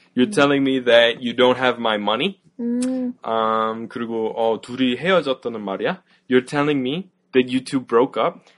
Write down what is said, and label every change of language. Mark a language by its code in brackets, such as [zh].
[en] You're telling me that you don't have my money. [ko] 그리고 둘이 헤어졌다는 말이야? [en] You're telling me that you two broke up.